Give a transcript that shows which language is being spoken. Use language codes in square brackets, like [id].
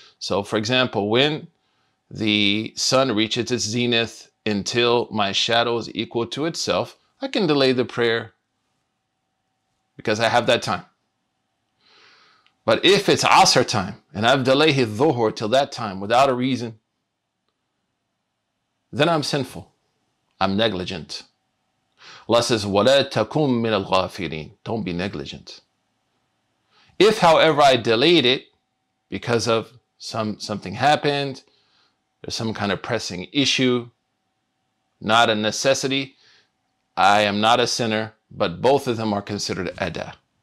[en] So for example, when the sun reaches its zenith until my shadow is equal to itself, I can delay the prayer because I have that time. But if it's asr time and I've delayed his dhuhr till that time without a reason, then I'm sinful. I'm negligent. [ar] Allah says, وَلَا تَكُمْ مِنَ الْغَافِلِينَ. [en] Don't be negligent. If, however, I delayed it because of something happened, there's some kind of pressing issue, not a necessity, I am not a sinner, but both of them are considered adah.